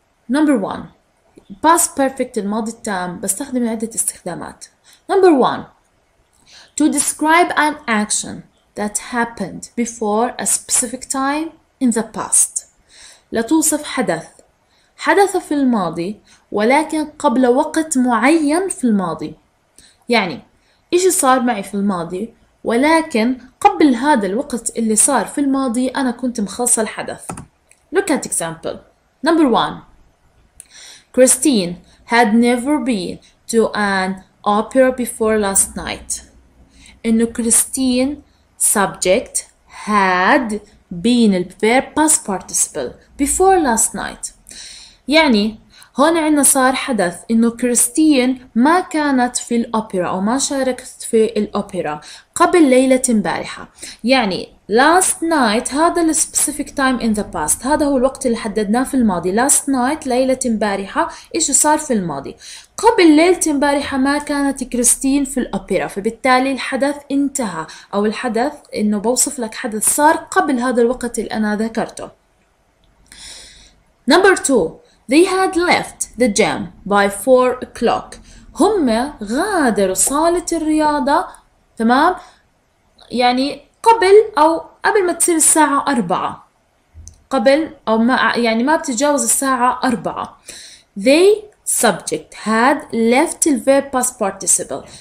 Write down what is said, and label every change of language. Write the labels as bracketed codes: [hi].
[en] Number one, [ar] past perfect الماضي التام بستخدم عدة استخدامات. [en] Number one, to describe an action that happened before a specific time in the past. [ar] لتوصف حدث حدث في الماضي ولكن قبل وقت معين في الماضي. يعني إيش صار معي في الماضي ولكن قبل هذا الوقت اللي صار في الماضي أنا كنت مخلص الحدث. [en] Look at example. Number one. Christine had never been to an opera before last night. [ar] إنه [en] Christine subject had been the verb past participle before last night. [ar] يعني هون عنا صار حدث إنه كريستين ما كانت في الأوبرا أو ما شاركت في الأوبرا قبل ليلة مبارحة. يعني [en] last night [ar] هذا [en] the specific time in the past, [ar] هذا هو الوقت اللي حددناه في الماضي. [en] Last night [ar] ليلة مبارحة إيش صار في الماضي؟ قبل ليلة مبارحة ما كانت كريستين في الأوبرا, فبالتالي الحدث انتهى أو الحدث إنه بوصف لك حدث صار قبل هذا الوقت اللي أنا ذكرته. [en] Number two, they had left the gym by 4 o'clock. [ar] هم غادروا صالة الرياضة, تمام؟ يعني قبل أو قبل ما تصير الساعة 4. قبل أو ما يعني ما بتجاوز الساعة 4. [en] They subject had left the verb past participle.